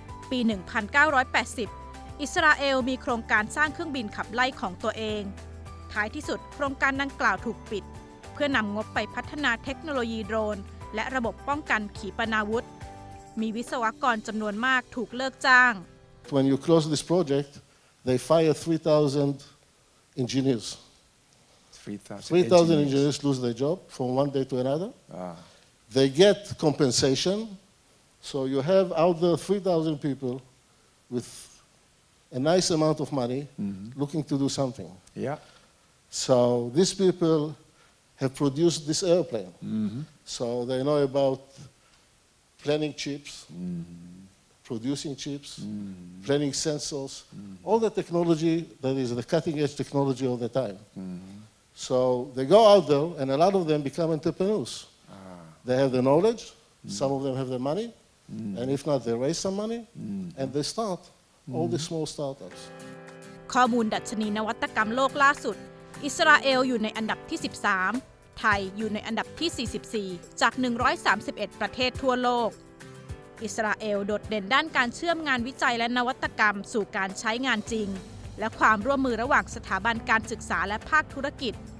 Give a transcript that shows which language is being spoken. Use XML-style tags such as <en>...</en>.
<th>ปี1980อิสราเอลมีโครงการสร้างเครื่องบินขับไล่ของตัวเองท้ายที่สุดโครงการดังกล่าวถูกปิดเพื่อนำงบไปพัฒนาเทคโนโลยีโดรนและระบบป้องกันขีปนาวุธมีวิศวกรจำนวนมากถูกเลิกจ้าง</th> <en>When you close this project they fire 3,000 engineers 3,000 engineers lose their job from one day to another they get compensationSo you have out there 3,000 people with a nice amount of money looking to do something. Yeah. So these people have produced this airplane. So they know about planning chips, producing chips, planning sensors, all the technology that is the cutting edge technology of the time. So they go out there and a lot of them become entrepreneurs. They have the knowledge, some of them have the money,And if not, they raise some money, and they start all the small startups.</en> <th>ข้อมูลดัชนีนวัตกรรมโลกล่าสุดอิสราเอลอยู่ในอันดับที่13ไทยอยู่ในอันดับที่44จาก131ประเทศทั่วโลกอิสราเอลโดดเด่นด้านการเชื่อมงานวิจัยและนวัตกรรมสู่การใช้งานจริงและความร่วมมือระหว่างสถาบันการศึกษาและภาคธุรกิจ</th>